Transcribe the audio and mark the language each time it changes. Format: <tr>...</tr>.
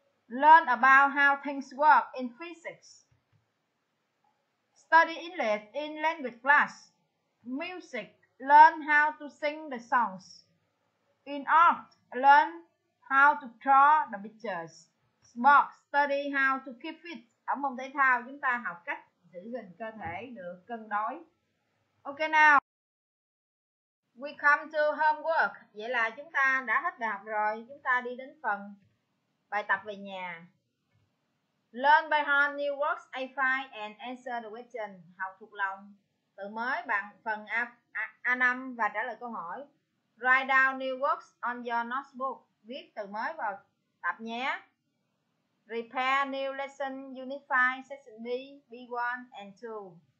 <en>Learn about how things work in physics. Study English in language class. Music, learn how to sing the songs. In art, learn how to draw the pictures. Sports, study how to keep fit.</en> <vi>Ở môn thể thao, chúng ta học cách giữ gìn cơ thể được cân đối.</vi> <en>Ok now, we come to homework.</en> <vi>Vậy là chúng ta đã hết bài học rồi, chúng ta đi đến phần bài tập về nhà.</vi> <en>Learn by heart new words I find and answer the question.</en> <vi>Học thuộc lòng từ mới bằng phần A5 và trả lời câu hỏi.</vi> <en>Write down new words on your notebook.</en> <vi>Viết từ mới vào tập nhé.</vi> <en>Prepare new lesson unit 5 section B, B1 and 2.</en>